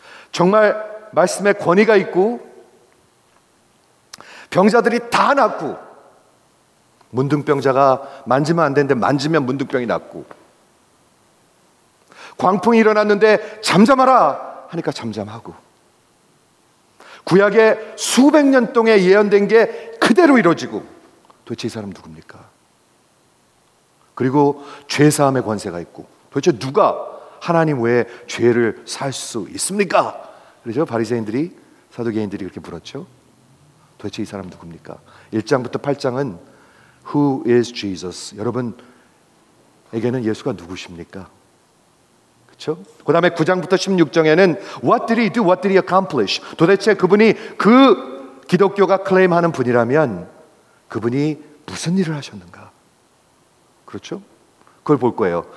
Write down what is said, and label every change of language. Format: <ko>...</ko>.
<ko>정말 말씀에 권위가 있고 병자들이 다 낫고 문둥병자가 만지면 안 되는데 만지면 문둥병이 낫고 광풍이 일어났는데 잠잠하라 하니까 잠잠하고 구약에 수백 년 동안 예언된 게 그대로 이루어지고 도대체 이 사람 누굽니까? 그리고 죄사함의 권세가 있고 도대체 누가 하나님 외에 죄를 살 수 있습니까? 그렇죠? 바리새인들이 사두개인들이 그렇게 물었죠. 도대체 이 사람 누굽니까? 1장부터 8장은</ko> <en>Who is Jesus?</en> <ko>여러분에게는 예수가 누구십니까? 그렇죠? 그 다음에 9장부터 16장에는</ko> <en>What did he do? What did he accomplish?</en> <ko>도대체 그분이 그 기독교가 클레임하는 분이라면 그분이 무슨 일을 하셨는가? 그렇죠? 그걸 볼 거예요.</ko>